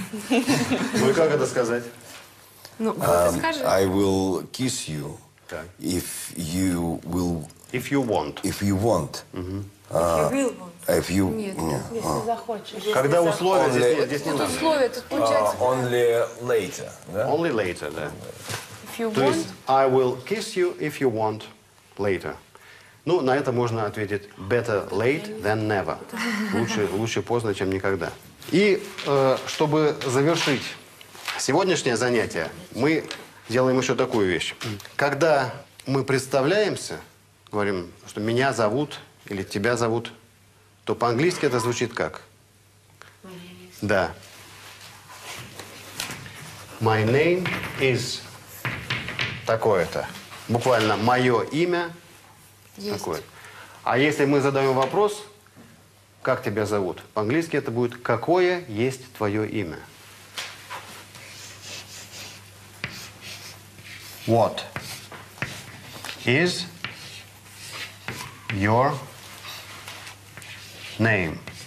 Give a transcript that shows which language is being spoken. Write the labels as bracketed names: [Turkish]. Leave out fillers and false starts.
[Russian] ну и как это сказать? Ну, вот ты скажешь. [English] I will kiss you if you will... If you want. If you want. If you will want. If you... [Russian] Нет, если захочешь. Когда условия здесь нет. Тут условия, тут получается... [English] Only later. Only later, да. If you want. [Russian] То есть, [English] I will kiss you if you want later. [Russian] Ну, на это можно ответить [English] better late than never. [Russian] Лучше поздно, чем никогда. И чтобы завершить... Сегодняшнее занятие мы делаем еще такую вещь. Когда мы представляемся, говорим, что меня зовут или тебя зовут, то по-английски это звучит как? Да. [English] My name is такое-то. [Russian] Буквально мое имя такое. А если мы задаем вопрос, как тебя зовут, по-английски это будет какое есть твое имя? [English] What is your name?